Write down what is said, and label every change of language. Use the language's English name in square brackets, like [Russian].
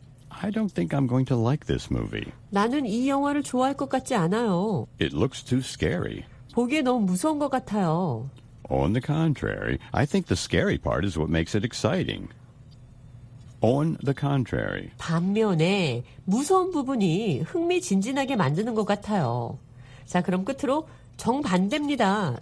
[English] I don't think I'm going to like this movie. [Korean] 나는 이 영화를 좋아할 것 같지 않아요. [English] It looks too scary. [Korean] 보기에 너무 무서운 것 같아요. [English] On the contrary, I think the scary part is what makes it exciting. On the contrary. [Korean] 반면에 무서운 부분이 흥미진진하게 만드는 것 같아요. 자, 그럼 끝으로 정반대입니다.